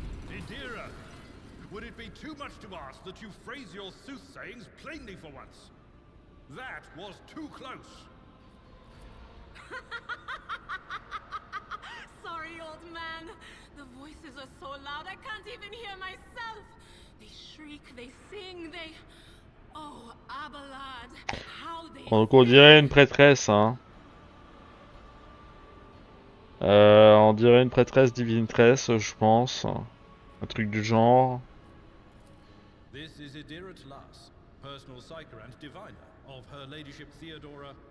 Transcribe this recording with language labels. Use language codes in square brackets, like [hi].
[en] Idira, would it be too much to ask that you phrase your soothsayings plainly for once? That was too close. Sorry, old man. The voices are so loud I can't even hear myself. They shriek, they sing, they... Oh, Abelard, how they... [fr] Donc on dirait une prêtresse, hein. On dirait une prêtresse divinitresse, je pense. Un truc du genre. [en] This is Idira Tlas, personal psyker and diviner of her ladyship Theodora.